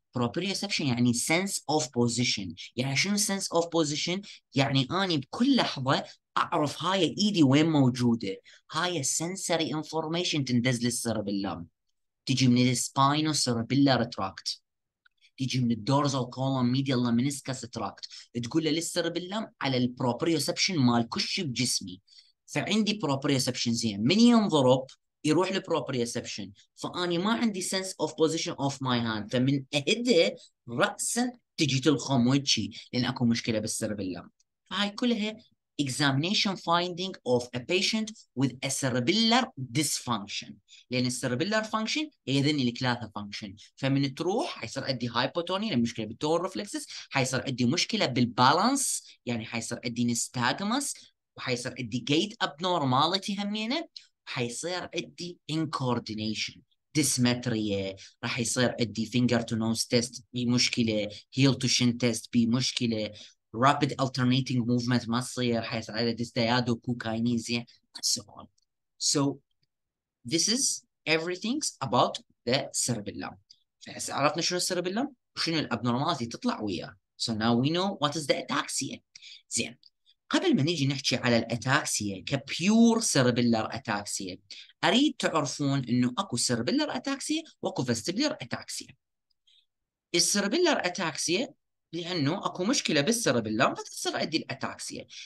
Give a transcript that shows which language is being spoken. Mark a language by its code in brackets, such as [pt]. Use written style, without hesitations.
[ar] proprioception يعني sense of position، يعني شنو sense of position؟ يعني أني بكل لحظة أعرف هاي إيدي وين موجودة، هاي sensory information تندز للسيربيلم، تجي من السباينوسيربيلر تراكت، تيجي من الدورزال كولوم ميديال منسكس تراكت، تقول له للسيربيلم على البروبريوسبشن مال كش بجسمي. فعندي بروبريوسبشن زين، من ينضرب يروح للبروبريوسبشن، فاني ما عندي سنس اوف بوزيشن اوف ماي هاند، فمن اهده راسا تجي تلخم وجهي، لان اكو مشكله بالسيربيلم. فهاي كلها [en] examination finding of a patient with a cerebellar dysfunction. [ar] لأن cerebellar function هي ذني الكلاثة function. فمن تروح حيصير عندي hypotony لمشكلة بالtonal reflexes، حيصير عندي مشكلة بالbalance يعني حيصير عندي nystagmus، وحيصير عندي gait abnormality همينة، حيصير عندي incoordination dysmetry، راح يصير عندي finger to nose test بمشكلة، heel to shin test بمشكلة، rapid alternating movement ما تصير، حيصير على ديستيادو كوكاينيزيا، [en] and so on. So this is everything about the cerebellum. [ar] فهسه عرفنا شنو السيربيلم وشنو الابنورمالات اللي تطلع وياه. [en] So now we know what is the ataxia. [ar] زين، قبل ما نيجي نحكي على الاتاكسيا كبيور سيربيلر اتاكسيا، اريد تعرفون انه اكو سيربيلر اتاكسيا واكو فيستيبلر اتاكسيا. السيربيلر اتاكسيا لانه اكو مشكله بالسيربيلر فتصير عندي الاتاكسيا.